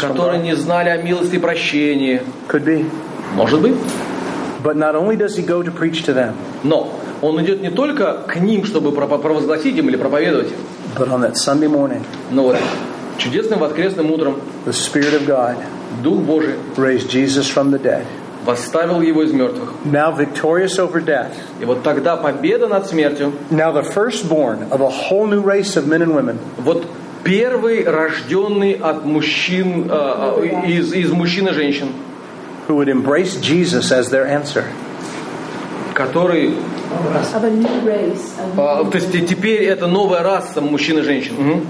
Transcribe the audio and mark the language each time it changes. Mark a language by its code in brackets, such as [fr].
[ru] которые не знали о милости и прощении, [en] could be. [ru] Может быть. [en] But not only does he go to preach to them, [ru] но он идет не только к ним, чтобы провозгласить им или проповедовать им, [en] but on that Sunday morning, [ru] но вот чудесным воскресным утром [en] the Spirit of God, [ru] Дух Божий, [en] raised Jesus from the dead. [ru] Восставил его из мертвых. [en] Now victorious over death. [ru] И вот тогда победа над смертью. [en] Now the firstborn of a whole new race of men and women. [ru] Вот первый рожденный от мужчин из мужчин и женщин. [en] Who would embrace Jesus as their answer? [ru] Который. [en] Of a new race. [ru] То есть теперь это новая раса мужчин и женщин.